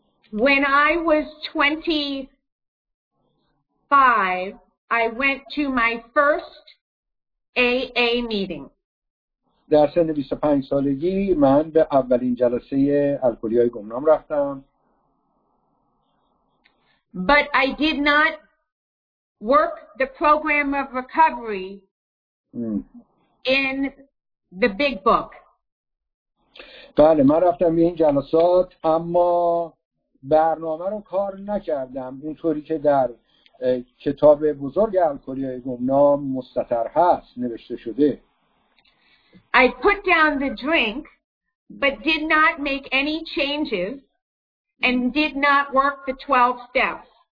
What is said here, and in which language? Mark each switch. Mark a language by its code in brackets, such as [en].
[en] When I was 25, I went to my first AA meeting. [fa] در سن 25 سالگی من به اولین جلسه الکلی‌های گمنام رفتم. [en] But I did not work the program of recovery in the big book. [fa] بله من رفتم به این جلسات اما برنامه رو کار نکردم اونطوری که در کتاب بزرگ الکلی‌های گمنام مستتر هست نوشته شده. [en] I put down the drink but did not make any changes and did not work the 12 steps.